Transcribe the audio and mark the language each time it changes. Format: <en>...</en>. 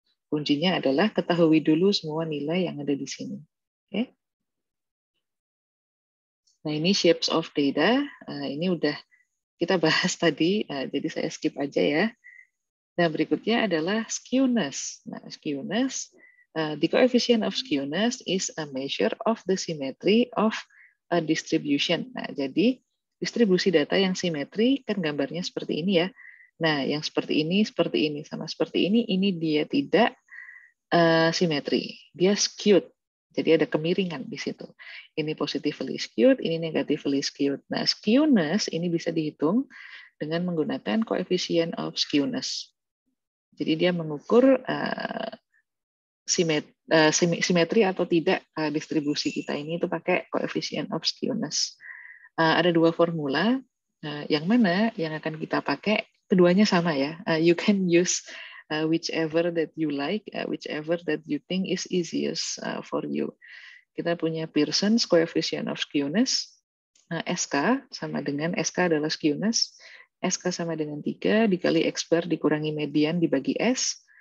<id>Kuncinya adalah ketahui dulu semua nilai yang ada di sini. Okay. Nah, ini</id> <en>shapes of data.</en> <id>Ini udah kita bahas tadi, jadi saya skip aja ya. Nah, berikutnya adalah skewness. Nah,</id> <en>skewness, the coefficient of skewness is a measure of the symmetry of a distribution.</en> <id>Nah, jadi distribusi data yang simetri kan gambarnya seperti ini ya. Nah, yang seperti ini, sama seperti ini dia tidak simetri. Dia skewed. Jadi ada kemiringan di situ. Ini positively skewed, ini negatively skewed. Nah, skewness ini bisa dihitung dengan menggunakan</id> <en>coefficient of skewness.</en> <id>Jadi dia mengukur simetri atau tidak distribusi kita ini itu pakai</id> <en>coefficient of skewness.</en> <id>Ada dua formula, yang mana yang akan kita pakai, keduanya sama ya.</id> <en>You can use whichever that you like, whichever that you think is easiest for you.</en> <id>Kita punya Pearson's coefficient of skewness, SK sama dengan, SK adalah skewness, SK sama dengan 3 dikali expert dikurangi median dibagi S.</id>